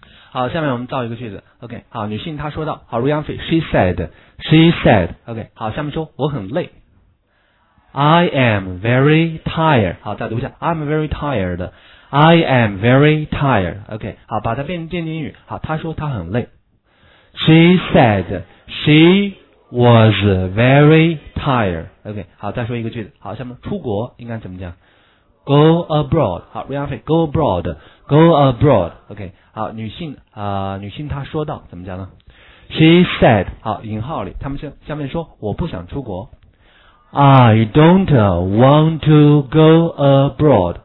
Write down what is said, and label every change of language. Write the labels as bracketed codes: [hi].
[zh] 好，下面我们造一个句子。OK, 好，女性她说道，好 ,Ruyang Fei, [en] she said, [zh] OK, 好，下面说我很累。 [en] I am very tired. [zh] 好，再读一下 [en] ,I am very tired. [zh] OK, 好，把它变成渐进语。好，她说她很累。 [en] She said, she was very tired. [zh] OK, 好，再说一个句子。好，下面出国应该怎么讲？ [en] Go abroad. 好 ,Ruyang Fei, go abroad. [zh] OK, 好，女性她说道，怎么讲呢？ [en] She said, [zh] 好，引号里，他们下面说我不想出国。 [en] I don't want to go abroad.